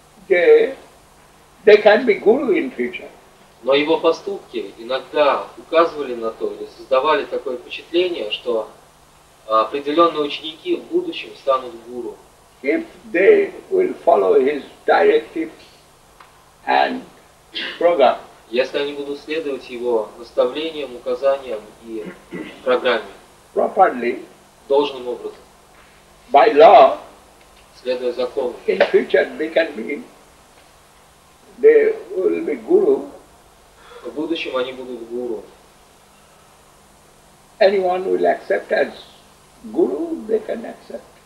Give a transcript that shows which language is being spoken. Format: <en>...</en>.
<en>that they can be guru in future.</en> <ru>Но его поступки иногда указывали на то, или создавали такое впечатление, что определенные ученики в будущем станут гуру.</ru> <en>If they will follow his directives and program.</en> <ru>Если они будут следовать его наставлениям, указаниям и программе.</ru> <en>Properly.</en> <ru>Должным образом.</ru> <en>By law.</en> <ru>Следуя закону.</ru> <en>In future they can be. They will be guru.</en> <ru>В будущем они будут гуру.</ru> <en>Anyone will accept as guru, they can accept.</en>